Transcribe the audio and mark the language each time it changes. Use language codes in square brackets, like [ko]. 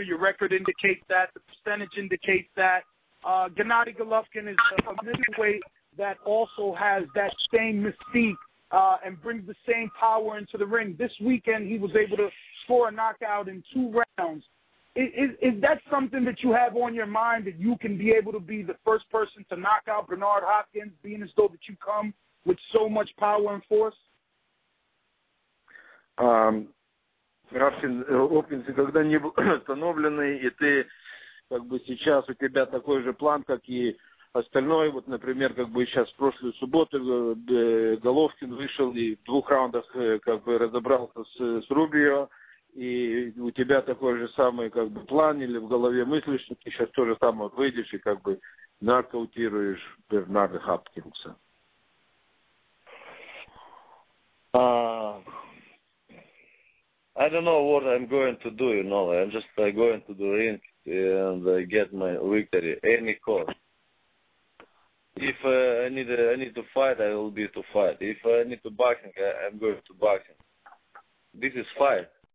[en] Your record indicates that. The percentage indicates that. Gennady Golovkin is a middleweight that also has that same mystique and brings the same power into the ring. This weekend, he was able to score a knockout in two rounds. Is that something that you have on your mind, that you can be able to be the first person to knock out Bernard Hopkins, being as though that you come with so much power and force? [ru] Рафкинс никогда не был остановленный, и ты как бы сейчас у тебя такой же план, как и остальное. Вот, например, как бы сейчас в прошлую субботу Головкин вышел и в двух раундах как бы разобрался с Рубио, и у тебя такой же самый как бы план или в голове мысли, что ты сейчас тоже сам выйдешь и как бы нокаутируешь Бернарда Хопкинса. [en] I don't know what I'm going to do, you know. I'm just going to the ring and get my victory, any cost. If I need to fight, I will be to fight. If I need to boxing, I'm going to boxing. This is fight.